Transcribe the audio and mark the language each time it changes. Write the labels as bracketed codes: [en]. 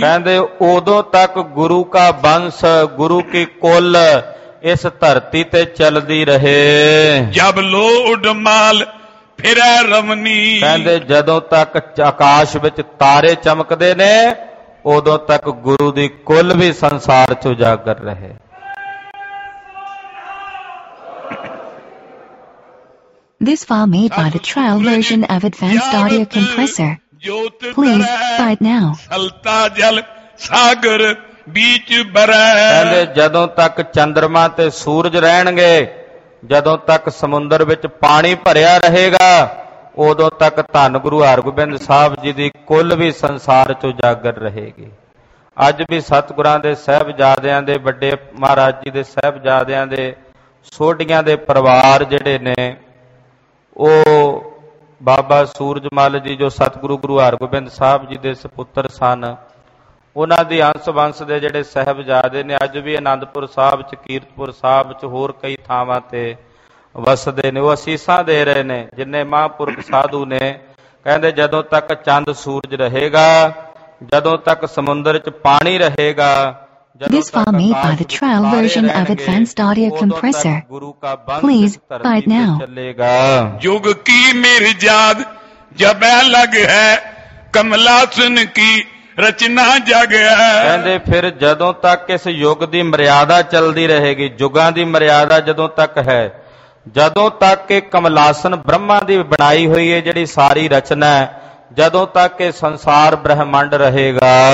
[pa] ਕਹਿੰਦੇ ਉਦੋਂ ਤੱਕ ਗੁਰੂ ਕਾ ਬੰਸ, ਗੁਰੂ ਕੀ ਕੁੱਲ ਇਸ ਧਰਤੀ ਤੇ ਚਲਦੀ ਰਹੇ। [bra] ਜਬ ਲੋ ਉਡਮਾਲ ਫਿਰੈ ਰਮਨੀ, [pa] ਕਹਿੰਦੇ ਜਦੋਂ ਤੱਕ ਆਕਾਸ਼ ਵਿੱਚ ਤਾਰੇ ਚਮਕਦੇ ਨੇ, ਉਦੋਂ ਤੱਕ ਗੁਰੂ ਦੀ ਕੁੱਲ ਵੀ ਸੰਸਾਰ ਚ ਉਜਾਗਰ ਰਹੇ। [en] This file made by the trial version of Advanced Audio Compressor. Please, buy it now. [bra] ਸਲਤਾ ਜਲ ਸਾਗਰ ਬੀਚ ਬਰੈ, [pa] ਕਹਿੰਦੇ ਜਦੋਂ ਤੱਕ ਚੰਦਰਮਾ ਤੇ ਸੂਰਜ ਰਹਿਣਗੇ, ਜਦੋਂ ਤੱਕ ਸਮੁੰਦਰ ਵਿੱਚ ਪਾਣੀ ਭਰਿਆ ਰਹੇਗਾ, ਉਦੋਂ ਤੱਕ ਧੰਨ ਗੁਰੂ ਹਰਗੋਬਿੰਦ ਸਾਹਿਬ ਜੀ ਦੀ ਕੁੱਲ ਵੀ ਸੰਸਾਰ ਚ ਉਜਾਗਰ ਰਹੇਗੀ। ਅੱਜ ਵੀ ਸਤਿਗੁਰਾਂ ਦੇ ਸਾਹਿਬਜ਼ਾਦਿਆਂ ਦੇ, ਵੱਡੇ ਮਹਾਰਾਜ ਜੀ ਦੇ ਸਾਹਿਬਜ਼ਾਦਿਆਂ ਦੇ, ਸੋਢੀਆਂ ਦੇ ਪਰਿਵਾਰ ਜਿਹੜੇ ਨੇ, ਉਹ ਬਾਬਾ ਸੂਰਜਮੱਲ ਜੀ ਜੋ ਸਤਿਗੁਰੂ ਗੁਰੂ ਹਰਗੋਬਿੰਦ ਸਾਹਿਬ ਜੀ ਦੇ ਸਪੁੱਤਰ ਸਨ, ਉਹਨਾਂ ਦੀ ਅੰਸ਼ ਵੰਸ਼ ਦੇ ਜਿਹੜੇ ਸਾਹਿਬਜ਼ਾਦੇ ਨੇ, ਅੱਜ ਵੀ ਆਨੰਦਪੁਰ ਸਾਹਿਬ ਚ, ਕੀਰਤਪੁਰ ਸਾਹਿਬ ਚ, ਹੋਰ ਕਈ ਥਾਵਾਂ ਤੇ ਵਸਦੇ ਨੇ, ਉਹ ਅਸੀਸਾਂ ਦੇ ਰਹੇ ਨੇ ਜਿੰਨੇ ਮਹਾਂਪੁਰਖ ਸਾਧੂ ਨੇ। ਕਹਿੰਦੇ ਜਦੋਂ ਤੱਕ ਚੰਦ ਸੂਰਜ ਰਹੇਗਾ, ਜਦੋਂ ਤੱਕ ਸਮੁੰਦਰ ਚ ਪਾਣੀ ਰਹੇਗਾ, [en] This file made by the trial version of Advanced Audio Compressor. Please, buy it now. [bra] ਯੁਗ ਕੀ ਮਿਰਜਾਦ ਜਬੈ ਲਗ ਹੈ, ਕਮਲਾ ਸੁਨ ਕੀ ਰਚਨਾ ਜਗ ਹੈ। [pa] ਕਹਿੰਦੇ ਫਿਰ ਜਦੋਂ ਤੱਕ ਇਸ ਯੁਗ ਦੀ ਮਰਿਆਦਾ ਚੱਲਦੀ ਰਹੇਗੀ, ਯੁਗਾਂ ਦੀ ਮਰਿਆਦਾ ਜਦੋਂ ਤੱਕ ਹੈ, ਜਦੋਂ ਤੱਕ ਇਹ ਕਮਲਾਸਨ ਬ੍ਰਹਮਾ ਦੀ ਬਣਾਈ ਹੋਈ ਹੈ ਜਿਹੜੀ ਸਾਰੀ ਰਚਨਾ, ਜਦੋਂ ਤੱਕ ਇਹ ਸੰਸਾਰ ਬ੍ਰਹਮੰਡ ਰਹੇਗਾ,